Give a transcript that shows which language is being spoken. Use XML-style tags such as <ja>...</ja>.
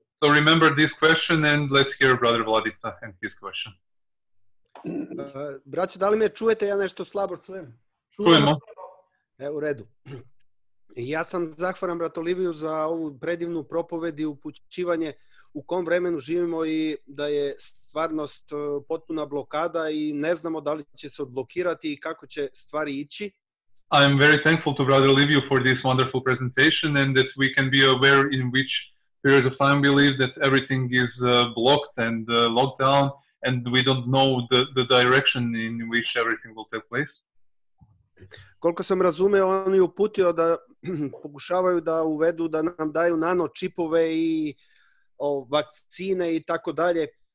<en>So remember this question and let's hear brother Vladica and his question.</en> <sr>Braćo, da li me čujete? Ja nešto slabo čujem. Čujemo. E, u redu. Ja sam zahvalan brat Oliviju za ovu predivnu propovedi i upućivanje u kom vremenu živimo i da je stvarnost potpuna blokada i ne znamo da li će se odblokirati i kako će stvari ići.</sr> <en>I'm very thankful to brother Oliviju for this wonderful presentation and that we can be aware in which period of time we live, that everything is blocked and locked down and we don't know the direction in which everything will take place.</en> <sr>Koliko sam razumeo, on je uputio da pokušavaju da uvedu, da nam daju nano čipove i vakcine i tako dalje.</sr>